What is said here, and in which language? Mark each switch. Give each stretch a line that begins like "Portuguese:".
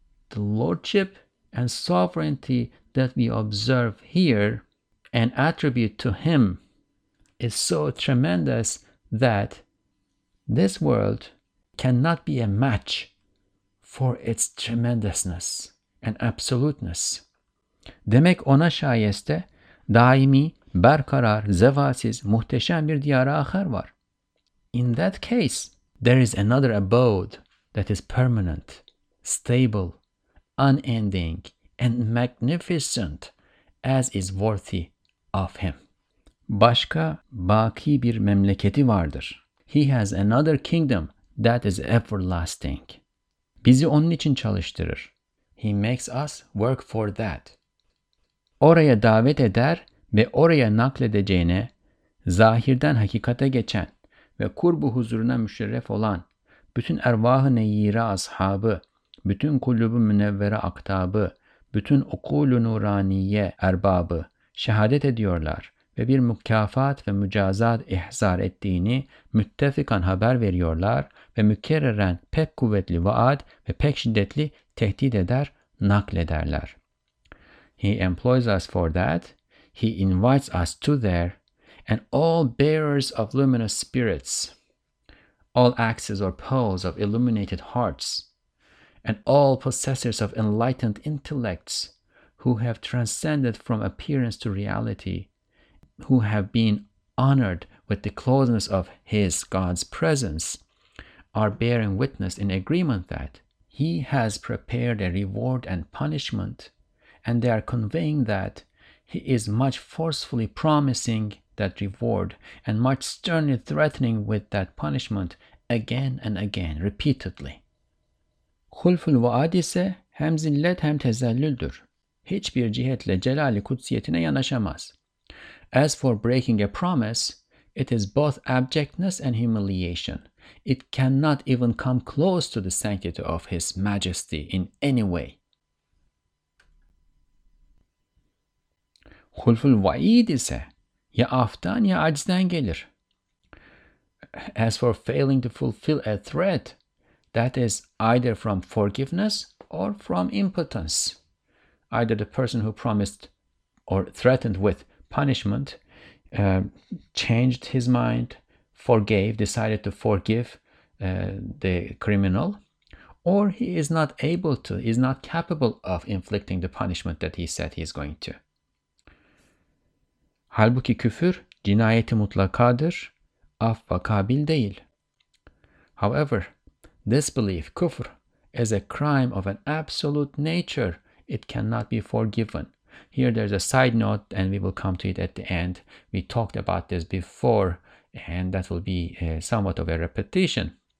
English: The lordship and sovereignty that we observe here and attribute to him is so tremendous that this world cannot be a match for its tremendousness and absoluteness.
Turkish: Demek ona şayeste daimi, berkarar, zevasiz, muhteşem bir diyara ahar var.
English: In that case, there is another abode that is permanent, stable, unending, and magnificent, as is worthy of him.
Turkish: Başka baki bir memleketi vardır.
English: He has another kingdom that is everlasting.
Turkish: Bizi onun için çalıştırır.
English: He makes us work for that.
Turkish: Oraya davet eder ve oraya nakledeceğine, zahirden hakikate geçen ve kurbu huzuruna müşerref olan bütün ervah-ı neyyire ashabı, bütün kullubu münevvere aktabı, bütün okul-u nuraniye erbabı şehadet ediyorlar ve bir mükafat ve mücazat ihzar ettiğini müttefikan haber veriyorlar ve mükerreren pek kuvvetli vaat ve pek şiddetli tehdit eder, naklederler.
English: He employs us for that. He invites us to there, and all bearers of luminous spirits, all axes or poles of illuminated hearts, and all possessors of enlightened intellects who have transcended from appearance to reality, who have been honored with the closeness of his God's presence, are bearing witness in agreement that he has prepared a reward and punishment, and they are conveying that he is much forcefully promising that reward and much sternly threatening with that punishment again and again, repeatedly.
Turkish: Hulful vaad ise hem zillet hem tezellüldür. Hiçbir cihetle celali kutsiyetine yanaşamaz.
English: As for breaking a promise, it is both abjectness and humiliation. It cannot even come close to the sanctity of his majesty in any way.
Turkish: Hulful vaid ise ya aftan ya acizden gelir.
English: As for failing to fulfill a threat, that is either from forgiveness or from impotence. Either the person who promised or threatened with punishment changed his mind, forgave, decided to forgive the criminal, or he is not able to, is not capable of inflicting the punishment that he said he is going to.
Turkish: Halbuki küfür cinayeti mutlakadır, affa kabil değil.
English: However, disbelief, kufr, is a crime of an absolute nature. It cannot be forgiven. Here there's a side note, and we will come to it at the end. We talked about this before, and that will be somewhat of a repetition.